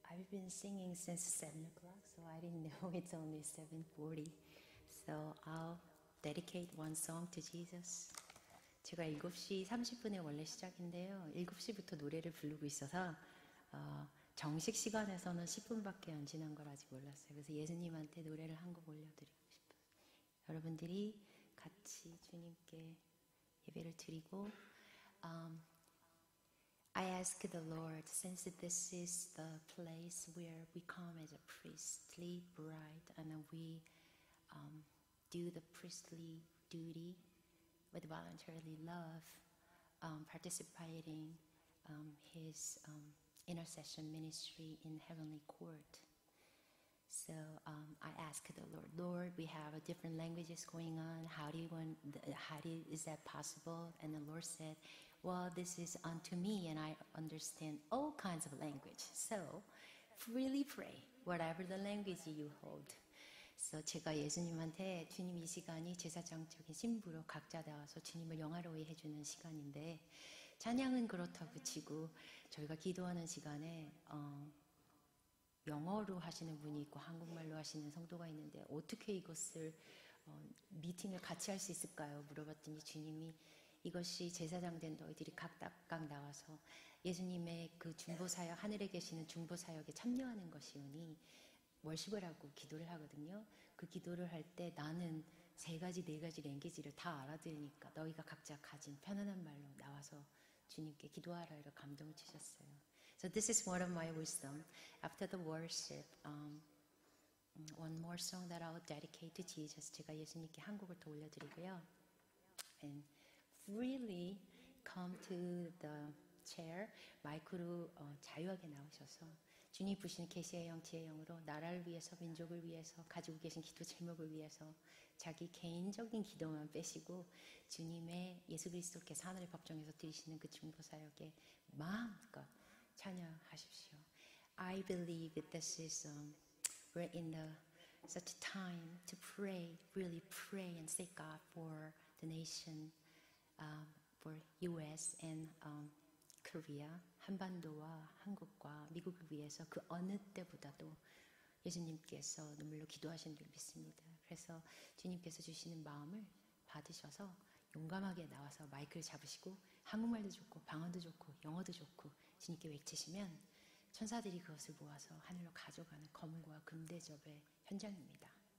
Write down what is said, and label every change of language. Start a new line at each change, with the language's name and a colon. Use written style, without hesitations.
English: Been singing since 7 o'clock, so I didn't know it's only 7:40. So I'll dedicate one song to Jesus.
Korean: 제가 7시 30분에 원래 시작인데요, 7시부터 노래를 부르고 있어서 정식 시간에서는 10분밖에 안 지난 걸 아직 몰랐어요. 그래서 예수님한테 노래를 한 곡 올려드리고 싶어요. 여러분들이 같이 주님께 예배를 드리고.
English: I ask the Lord, since this is the place where we come as a priestly bride and we do the priestly duty with voluntarily love, participating His intercession ministry in heavenly court. So I ask the Lord, Lord, we have different languages going on. Is that possible? And the Lord said, well, this is unto me, and I understand all kinds of language. So, freely pray, whatever the language you hold.
Korean: So, 제가 예수님한테 주님 이 시간이 제사장적인 신부로 각자 나와서 주님을 영화로이 해주는 시간인데, 찬양은 그렇다고 치고, 저희가 기도하는 시간에, 영어로 하시는 분이 있고, 한국말로 하시는 성도가 있는데, 어떻게 이것을, 미팅을 같이 할 수 있을까요? 물어봤더니 주님이, 이것이 제사장 된 너희들이 각각 나와서 예수님의 그 중보사역, 하늘에 계시는 중보사역에 참여하는 것이오니 월십을 하고 기도를 하거든요. 그 기도를 할 때 나는 세 가지, 네 가지 랭귀지를 다 알아들으니까 너희가 각자 가진 편안한 말로 나와서 주님께 기도하라, 이런 감동을 주셨어요.
English: So this is one of my wisdom. After the worship, one more song that I'll dedicate to Jesus.
Korean: 제가 예수님께 한 곡을 더 올려드리고요.
English: And freely come to the chair,
Korean: 마이크로 자유하게 나오셔서 주님 부신 계시의 영, 지혜의 영으로 나라를 위해서, 민족을 위해서, 가지고 계신 기도 제목을 위해서 자기 개인적인 기도만 빼시고 주님의 예수 그리스도께서 하늘의 법정에서 드리시는 그 중보사역에 마음껏 참여하십시오.
English: I believe that this is we're in the such time to pray, really pray and seek God for the nation. For U.S. and Korea,
Korean: 한반도와 한국과 미국을 위해서 그 어느 때보다도 예수님께서 눈물로 기도하시는 줄 믿습니다. 그래서 주님께서 주시는 마음을 받으셔서 용감하게 나와서 마이크를 잡으시고 한국말도 좋고 방언도 좋고 영어도 좋고 주님께 외치시면 천사들이 그것을 모아서 하늘로 가져가는 검과 금대접의 현장입니다.